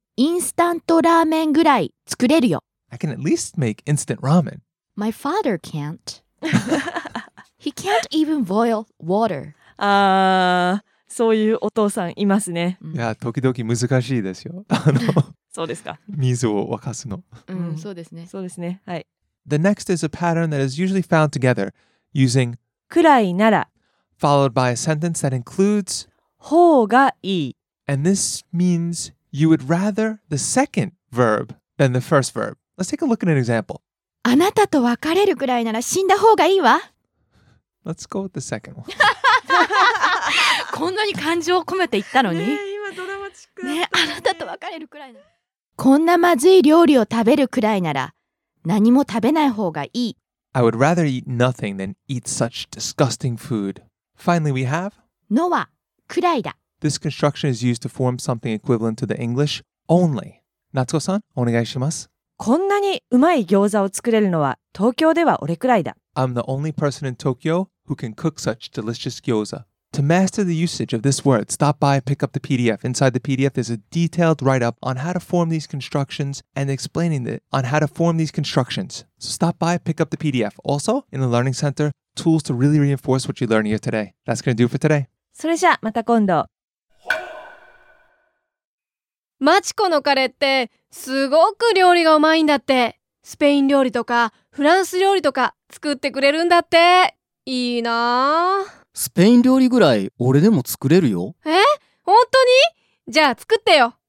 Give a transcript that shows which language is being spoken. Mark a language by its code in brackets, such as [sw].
[ja] インスタントラーメンぐらい作れるよ。 [en] I can at least make instant ramen. My father can't. He can't even boil water. [ja] Ah, そういうお父さんいますね。いや、時々難しいですよ。そうですか。水を沸かすの。うん、そうですね。そうですね。はい。 [en] The next is a pattern that is usually found together using [ja] くらいなら [en] followed by a sentence that includes [ja] ほうがいい。 [en] And this means you would rather the second verb than the first verb. Let's take a look at an example. [ja] あなたと別れるくらいなら死んだ方がいいわ。 [en] Let's go with the second one. [ja] こんなに感情を込めて言ったのに。ねえ、今ドラマチックだったね。ねえ、あなたと別れるくらいなら。こんなまずい料理を食べるくらいなら何も食べない方がいい。 [en] I would rather eat nothing than eat such disgusting food. Finally, we have [ja] のはくらいだ。 [en] This construction is used to form something equivalent to the English only. [ja] 夏子さん、お願いします。こんなにうまい餃子を作れるのは東京では俺くらいだ。 [en] I'm the only person in Tokyo who can cook such delicious gyoza. To master the usage of this word, stop by and pick up the PDF. Inside the PDF, there's a detailed write-up on how to form these constructions and explaining it on how to form these constructions. So stop by, pick up the PDF. Also, in the Learning Center, tools to really reinforce what you learn here today. That's going to do it for today. [ja] それじゃまた今度。マチコのカレーってすごく料理がうまいんだって。スペイン料理とかフランス料理とか作ってくれるんだって。いいなぁ。スペイン料理ぐらい俺でも作れるよ。え？本当に？じゃあ作ってよ。